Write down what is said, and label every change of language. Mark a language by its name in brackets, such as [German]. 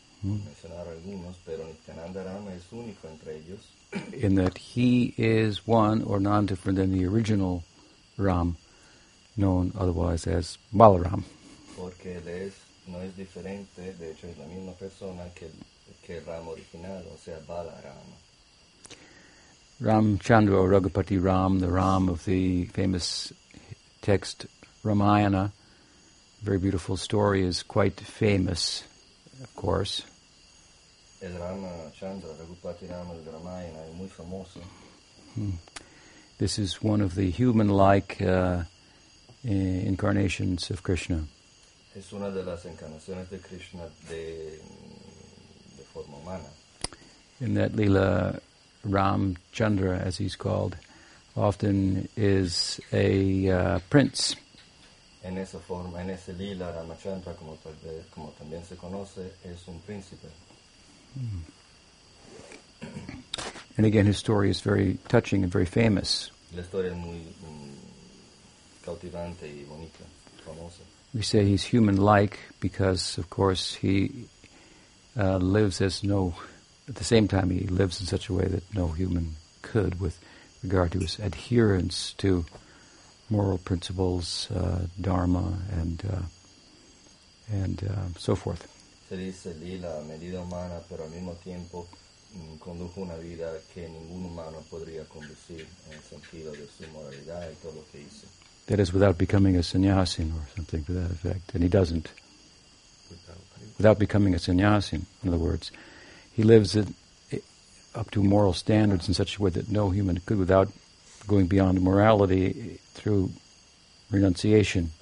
[English] In that he is one or non different than the original Ram, known otherwise as Balaram. [Spanish] Porque él es, no es diferente, de hecho es la misma persona que el que Ram original, o sea, Balaram. [English] Ram Chandra or Raghupati Ram, the Ram of the famous text Ramayana, very beautiful story, is quite famous, of course. [Spanish] El Ram Chandra, Raghupati Ram of Ramayana, es muy famoso. [English] This is one of the human-like incarnations of Krishna. [Spanish] Es una de las encarnaciones de Krishna de forma humana. [English] In that Lila, Ram Chandra, as he's called, often is a prince. [Spanish] En esa forma, en ese Lila, Ramachandra, como también se conoce, es un príncipe. [English] And again, his story is very touching and very famous. [Spanish] La historia es muy cautivante y bonita, famosa. [English] We say he's human-like because, of course, he lives as no. At the same time, he lives in such a way that no human could, with regard to his adherence to moral principles, dharma, and so forth. [Spanish] Se dice Lila, medida humana, pero al mismo tiempo condujo una vida que ningún humano podría conducir en el sentido de su moralidad y todo lo que hizo. [English] That is, without becoming a sannyasin or something to that effect, and he doesn't. Without becoming a sannyasin, in other words, he lives up to moral standards in such a way that no human could, without going beyond morality through renunciation.